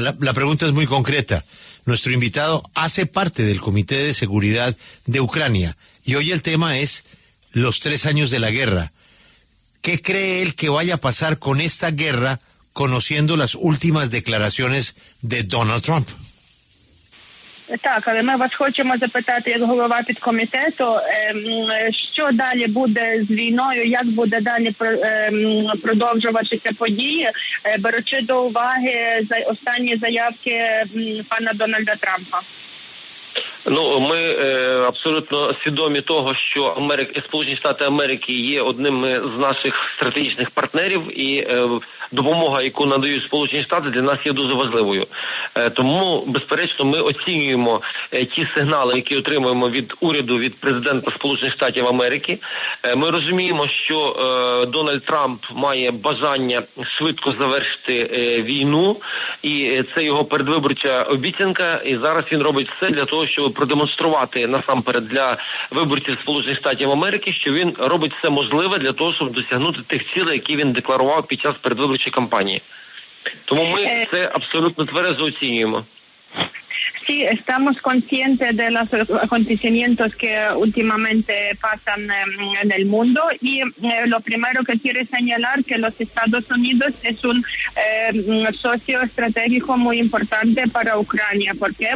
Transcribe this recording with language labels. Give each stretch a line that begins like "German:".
Spanish: La pregunta es muy concreta. Nuestro invitado hace parte del Comité de Seguridad de Ucrania y hoy el tema es los 3 años de la guerra. ¿Qué cree él que vaya a pasar con esta guerra conociendo las últimas declaraciones de Donald Trump?
Ukrainian: Так, але ми вас хочемо запитати як голова підкомітету, що далі буде з війною, як буде далі продовжуватися події, беручи до уваги останні заявки пана Дональда Трампа. Ну, ми абсолютно свідомі того, що Сполучені Штати Америки є одним з наших стратегічних партнерів, і допомога, яку надають Сполучені Штати, для нас є дуже важливою. Тому, безперечно, ми оцінюємо ті сигнали, які отримуємо від уряду, від президента Сполучених Штатів Америки. Ми розуміємо, що Дональд Трамп має бажання швидко завершити війну, і це його передвиборча обіцянка, і зараз він робить все для того, щоб продемонструвати насамперед для виборців Сполучених Штатів Америки, що він робить все можливе для того, щоб досягнути тих цілей, які він декларував під час передвиборчої кампанії. Тому ми це абсолютно тверезо оцінюємо.
Spanish: Sí, estamos conscientes de los acontecimientos que últimamente pasan en el mundo y lo primero que quiero señalar que los Estados Unidos es un socio estratégico muy importante para Ucrania. ¿Por qué?